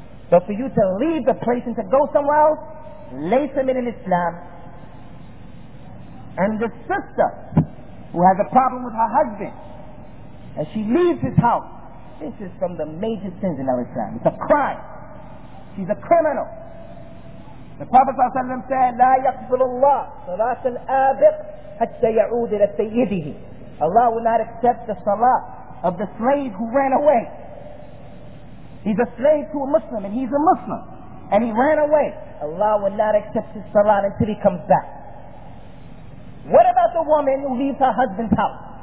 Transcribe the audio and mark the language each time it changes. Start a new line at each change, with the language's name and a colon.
English: So for you to leave the place and to go somewhere else, lay some in Islam. And the sister who has a problem with her husband, and she leaves his house. This is from the major sins in Islam. It's a crime. She's a criminal. The Prophet ﷺ said,
Arabic: لا يقبل الله صلاة الآبق حتى يعود إلى سيده.
English: Allah will not accept the salah of the slave who ran away. He's a slave to a Muslim, and he's a Muslim. And he ran away. Allah will not accept his salah until he comes back. What about the woman who leaves her husband's house?